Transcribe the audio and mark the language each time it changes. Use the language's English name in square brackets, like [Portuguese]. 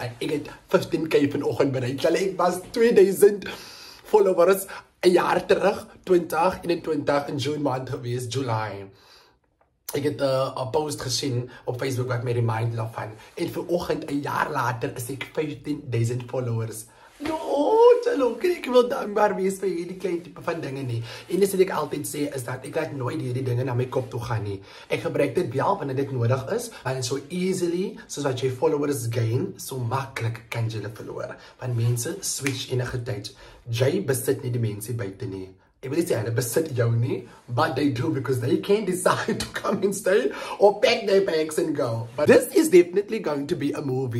[Afrikaans] Like, ek het 15k vanochtend bereik. Like, ek was 2000 followers een jaar terug, 2021 in June maand geweest, July. Ek het een post gesien op Facebook wat my remind love van. En vir oogend, een jaar later, is ek 15.000 followers. No, tjaloke, ek wil dankbaar wees vir hierdie klein type van dinge nie. En dis wat ek altyd sê, is dat ek laat nooit hierdie dinge na my kop toe gaan nie. Ek gebruik dit wel, wanneer dit nodig is, want so easily, soos wat jy followers gain, so makkelijk kan jy hulle verloor. Want mense switch enige tyd. Jy besit nie die mense buiten nie. Ek wil nie sê, hulle besit jou nie, [English] but they do, because they can decide to come and stay, or pack their bags and go. But this is definitely going to be a movie.